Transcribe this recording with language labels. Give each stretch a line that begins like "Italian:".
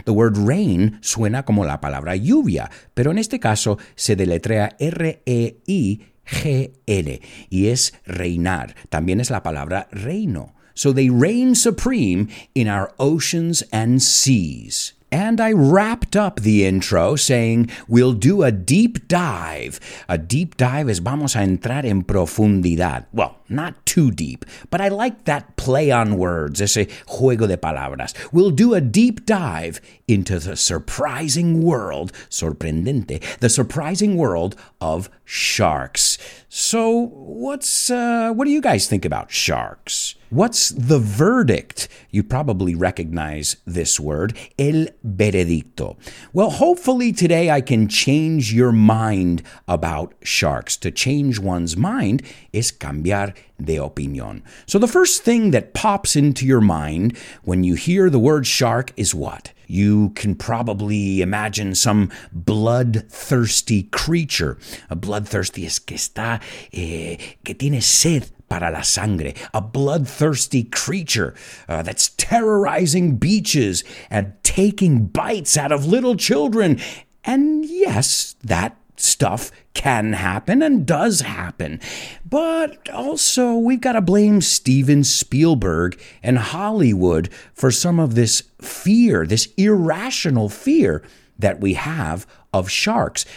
English: The word reign
Spanish: suena como la palabra lluvia, pero en este caso se deletrea R-E-I-G-N y es reinar. También es la palabra reino.
English: So they reign supreme in our oceans and seas. And I wrapped up the intro saying, we'll do a deep dive. A deep dive is
Spanish: vamos a entrar en profundidad.
English: Well, not too deep, but I like that play on words,
Spanish: ese juego de palabras.
English: We'll do a deep dive into the surprising world, sorprendente, the surprising world of sharks. So what do you guys think about sharks? What's the verdict? You probably recognize this word,
Spanish: el veredicto.
English: Well, hopefully today I can change your mind about sharks. To change one's mind is
Spanish: cambiar de opinión.
English: So the first thing that pops into your mind when you hear the word shark is what? You can probably imagine some bloodthirsty creature.
Spanish: A bloodthirsty es que está, que tiene sed para la sangre.
English: A bloodthirsty creature that's terrorizing beaches and taking bites out of little children. And yes, that stuff can happen and does happen. But also, we've got to blame Steven Spielberg and Hollywood for some of this fear, this irrational fear that we have of sharks.